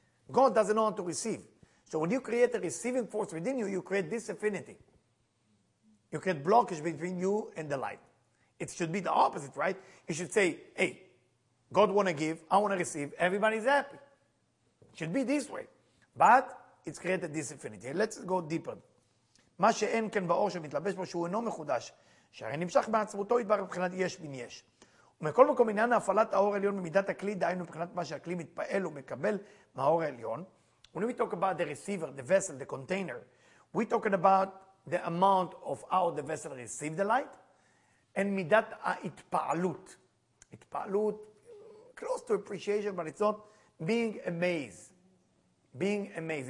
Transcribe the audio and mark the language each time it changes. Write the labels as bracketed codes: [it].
[en] God doesn't know how to receive. So when you create a receiving force within you, you create this affinity. You create blockage between you and the light. It should be the opposite, right? You should say, hey, God want to give, I want to receive, everybody's happy. It should be this way. But it's created this affinity. Let's go deeper. [he] מה שאין כן באור שמתלבש בו שהוא אינו מחודש, שהרי נמשך בעצמותו ידבר מבחינת יש מן יש. ומכל מקום עניין הפעלת האור העליון במידת הכלי, דהיינו מבחינת מה שהכלי מתפעל ומקבל מהאור העליון. [en] When we talk about the receiver, the vessel, the container, we're talking about the amount of how the vessel received the light, and midat ha'itpa'alut. Itpa'alut, close to appreciation, but it's not being amazed. Being amazed.